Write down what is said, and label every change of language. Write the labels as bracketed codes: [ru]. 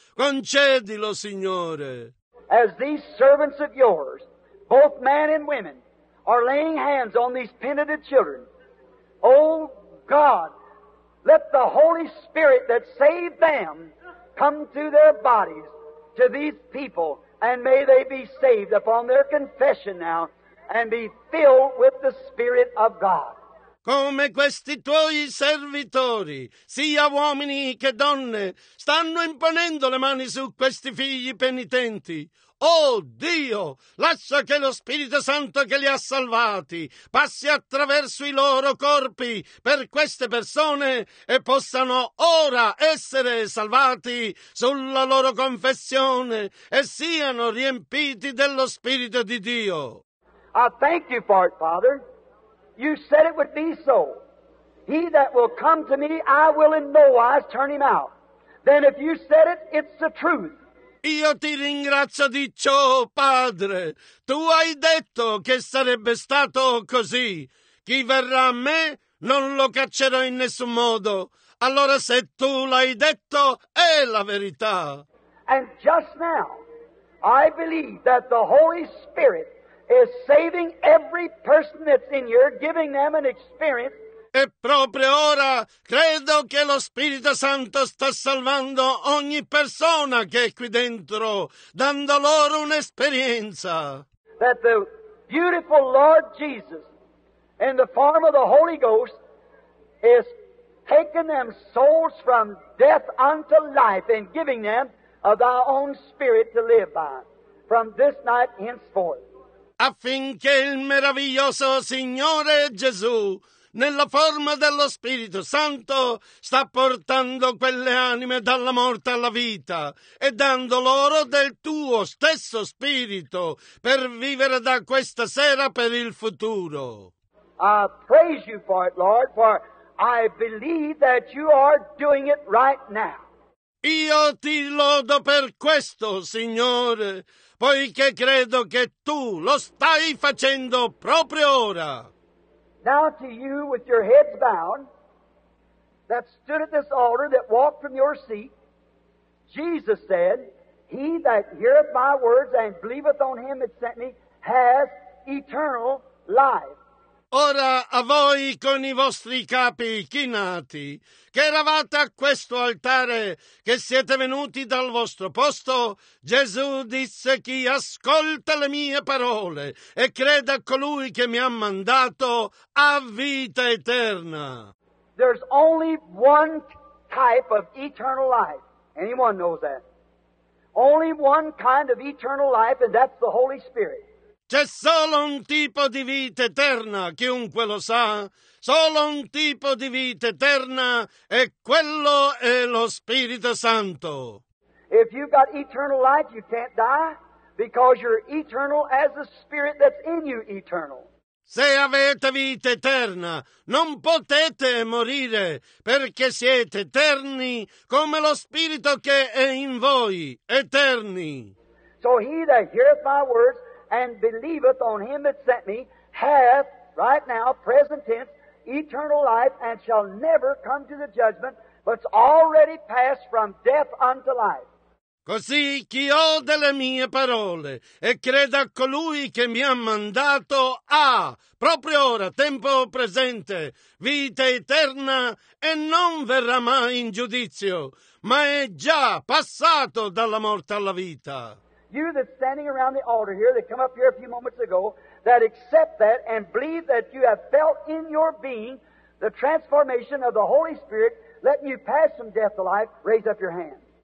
[it] Concedilo, Signore. [en] As these servants of yours, both men and women, are laying hands on these penitent children, oh God, let the Holy Spirit that saved them come to their bodies, to these people, and may they be saved upon their confession now and be filled with the Spirit of God. [it] Come questi tuoi servitori, sia uomini che donne, stanno imponendo le mani su questi figli penitenti. Oh Dio, lascia che lo Spirito Santo che li ha salvati passi attraverso i loro corpi per queste persone e possano ora essere salvati sulla loro confessione e siano riempiti dello Spirito di Dio. [en] I thank you for it, Father. You said it would be so. He that will come to me, I will in no wise turn him out. Then if you said it, it's the truth. [it] Io ti ringrazio di ciò, Padre. Tu hai detto che sarebbe stato così. Chi verrà a me non lo caccerò in nessun modo. Allora se tu l'hai detto, è la verità. [en] And just now, I believe that the Holy Spirit is saving every person that's in here, giving them an experience. [it] E proprio ora credo che lo Spirito Santo sta salvando ogni persona che è qui dentro, dando loro un'esperienza. [en] That the beautiful Lord Jesus, in the form of the Holy Ghost, is taking them souls from death unto life and giving them of thy own spirit to live by from this night henceforth. [it] Affinché il meraviglioso Signore Gesù, nella forma dello Spirito Santo, sta portando quelle anime dalla morte alla vita e dando loro del tuo stesso Spirito per vivere da questa sera per il futuro. [en] I praise you for it, Lord, for I believe that you are doing it right now. [it] Io ti lodo per questo, Signore, poiché credo che tu lo stai facendo proprio ora. [en] Now to you with your heads bowed that stood at this altar that walked from your seat, Jesus said, He that heareth my words and believeth on him that sent me has eternal life. [it] Ora a voi con i vostri capi chinati, che eravate a questo altare, che siete venuti dal vostro posto, Gesù disse: chi ascolta le mie parole e crede a colui che mi ha mandato ha vita eterna. [en] There's only one type of eternal life. Anyone knows that? Only one kind of eternal life, and that's the Holy Spirit. [it] C'è solo un tipo di vita eterna, chiunque lo sa, solo un tipo di vita eterna, e quello è lo Spirito Santo. [en] If you've got eternal life, you can't die, because you're eternal as the Spirit that's in you eternal. [it] Se avete vita eterna, non potete morire, perché siete eterni come lo Spirito che è in voi, eterni. [en] So he that heareth my words and believeth on him that sent me, hath, right now, present tense, eternal life, and shall never come to the judgment, but's already passed from death unto life. [it] Così chi ode le mie parole e crede a colui che mi ha mandato ha, proprio ora, tempo presente, vita eterna, e non verrà mai in giudizio, ma è già passato dalla morte alla vita. [en] You that's standing around the altar here, that come up here a few moments ago, that accept that and believe that you have felt in your being the transformation of the Holy Spirit, letting you pass from death to life, raise up your hand.